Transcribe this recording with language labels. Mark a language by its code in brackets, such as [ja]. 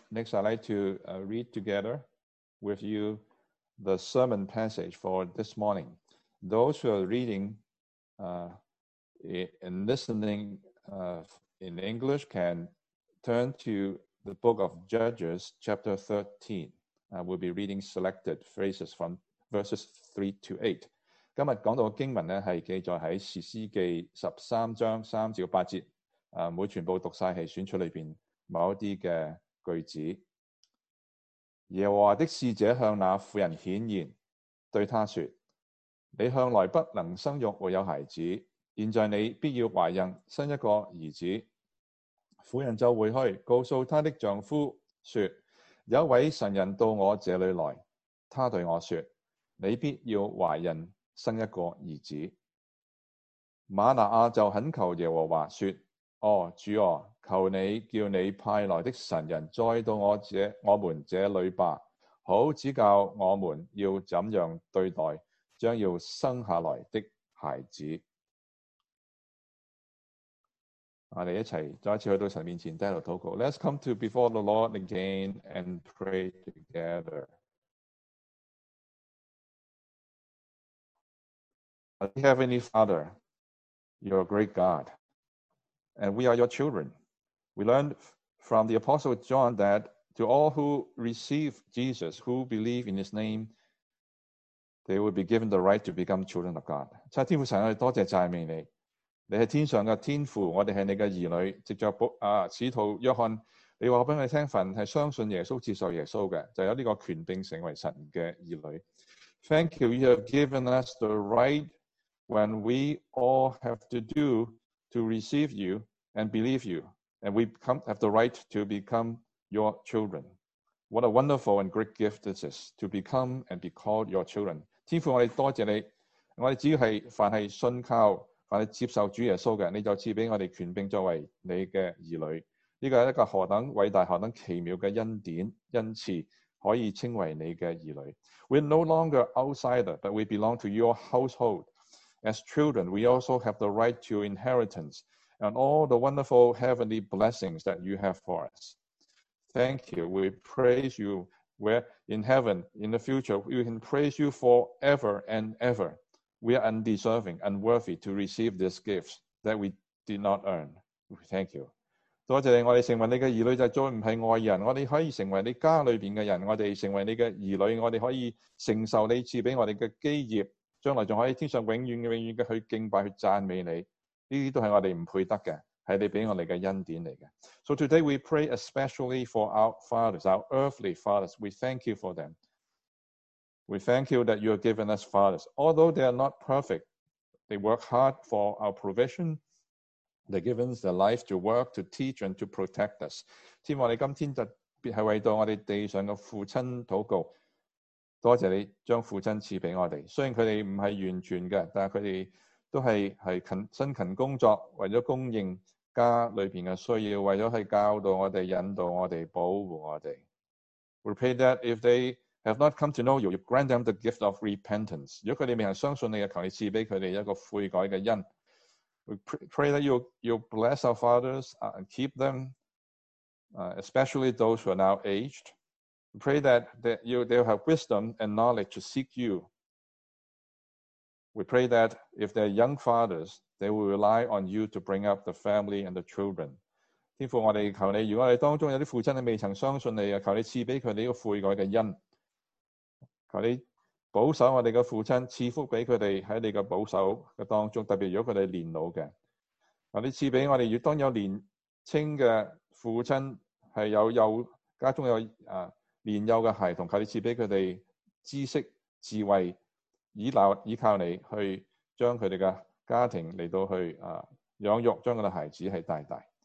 [en] Next, I'd like to read together with you the sermon passage for this morning. Those who are reading and listening in English can turn to the book of Judges, chapter 13. We'll be reading selected phrases from verses 3 to 8. [zh] 今日讲到的经文是记载在《士师记》十三章三至八节，不会全部读完，是选取里面某一些句子。耶和华的使者向那妇人显现，对他说：你向来不能生育会有孩子，现在你必要怀孕生一个儿子。妇人就回去告诉她的丈夫说：有位神人到我这里来，他对我说：你必要怀孕生一个儿子。玛拿亚就恳求耶和华说：哦，主哦，求你叫你派来的神人再到我们这里吧，好指教我们要怎样对待将要生下来的孩子。我们一起再次去到神面前低头祷告。 [en] Let's come to before the Lord again and pray together. Heavenly Father, you're a great God, and we are your children. We learned from the Apostle John that to all who receive Jesus, who believe in his name, they will be given the right to become children of God. [zh] 亲爱的天父神，我们多谢赞美你，你是天上的天父，我们是你的儿女。藉着使徒约翰，你告诉我们，凡是相信耶稣、接受耶稣的，就有这个权柄成为神的儿女。 [en] Thank you, you have given us the right when we all have to do to receive you and believe you, and we have the right to become your children. What a wonderful and great gift this is to become and be called your children. [zh] 天父，我们多谢你，我们只要是凡是信靠、凡是接受主耶稣的，你就赐给我们权柄作为你的儿女。这个是一个何等伟大、何等奇妙的恩典、恩赐。可以称为你的儿女。 [en] We're no longer outsider, but we belong to your household. As children, we also have the right to inheritance and all the wonderful heavenly blessings that you have for us. Thank you. We praise you. We're in heaven, in the future, we can praise you forever and ever. We are undeserving, unworthy to receive this gift that we did not earn. Thank you. [zh] 多谢你，我们成为你的儿女就再不是外人，我们可以成为你家里面的人，我们成为你的儿女，我们可以承受你赐给我们的基业，将来还可以天上永远永远的去敬拜去赞美你，这些都是我们不配得的，是你给我们的恩典来的。 [en] So today we pray especially for our fathers, our earthly fathers. We thank you for them. We thank you that you have given us fathers. Although they are not perfect, they work hard for our provisionThey give us the life to work, to teach, and to protect us. [zh] 天父，我们今天特别是为到我们地上的父亲祷告，多谢你将父亲赐给我们。虽然他们不是完全的，但他们都 是辛勤工作，为了供应家里面的需要，为了教导我们、引导我们、保护我们。 [en] We pray that if they have not come to know you, you grant them the gift of repentance. [zh] 如果他们未相信你，求你赐给他们一个悔改的恩。 [en] We pray that you bless our fathers and keep them, especially those who are now aged. We pray that they'll have wisdom and knowledge to seek you. We pray that if they're young fathers, they will rely on you to bring up the family and the children. [zh] 天父，我们求你，如果我们当中有些父亲未曾相信你，求你赐给他们一个悔改的恩，求你保守我们的父亲，赐福给他们在你的保守的当中，特别如果他们年老的。求你赐给我们，当有年轻的父亲，是有家中有年幼的孩童，求你赐给他们知识、智慧，依靠你去将他们的家庭来到去养育，将他们的孩子是带大。